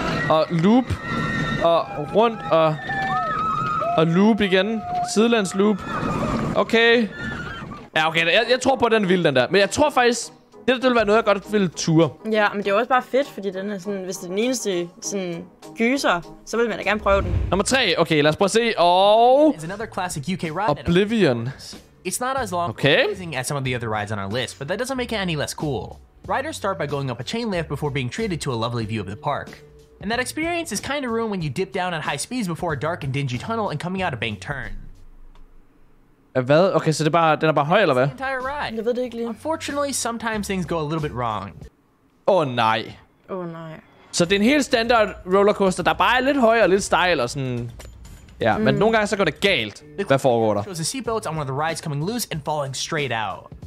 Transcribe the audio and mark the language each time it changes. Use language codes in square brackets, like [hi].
[da] Og loop. Og rundt, og... Og loop igen. Sidelands loop. Okay. Ja, okay. Jeg tror på, den vil den der. Men jeg tror faktisk, det der ville være noget, jeg godt ville ture. Ja, men det er også bare fedt, fordi den er sådan... Hvis det er den eneste sådan gyser, så vil man da gerne prøve den. Nummer 3. Okay, lad os prøve at se. Og... Oblivion. [en] It's not as long as some of the other rides on our list, but that doesn't make it any less cool. Riders start by going up a chain lift before being treated to a lovely view of the park. And that experience is kind of ruined when you dip down at high speeds before a dark and dingy tunnel and coming out a bank turn. [da] Hvad? Okay, så det er bare, den er bare høj, eller hvad? [en] Entire ride. [da] Jeg ved det ikke lige. [en] Unfortunately, sometimes things go a little bit wrong. [da] Oh nej. Oh nej. Så det er en helt standard rollercoaster, der bare er lidt høj og lidt stejl og sådan... Ja, men nogle gange så går det galt. Hvad foregår der? [en] It was the seatbelts on one of the rides coming loose and falling straight out.